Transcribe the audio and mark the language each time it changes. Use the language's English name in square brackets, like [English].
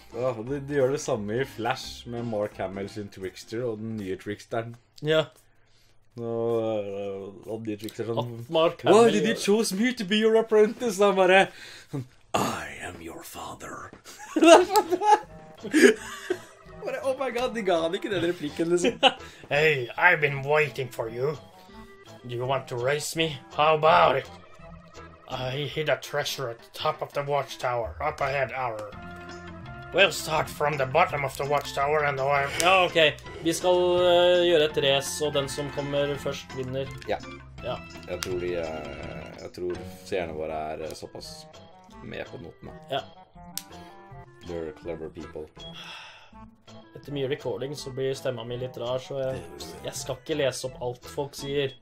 [Norwegian] Ja, oh, de gjør det samme i Flash med Mark Hamill sin Trickster og den nye Tricksteren. Ja. Og de Trickster sånn... Mark Hamill... [English] Why did you choose me to be your apprentice? [Norwegian] Han bare... [English] I am your father. [Norwegian] Bare, [English] oh my god, [Norwegian] de ga han ikke den replikken, liksom. [English] Hey, I've been waiting for you. Do you want to race me? How about it? I hid a treasure at the top of the watchtower, up ahead, Arr. We'll start from the bottom of the watchtower and the... [Norwegian] Ja, ok. Vi skal gjøre et res, og den som kommer først vinner. Ja. Ja. Jeg tror de... jeg tror seerne våre såpass med på notene. Ja. [English] They're clever people. [Norwegian] Etter mye recording så blir stemmen min litt rar, så jeg skal ikke lese opp alt folk sier.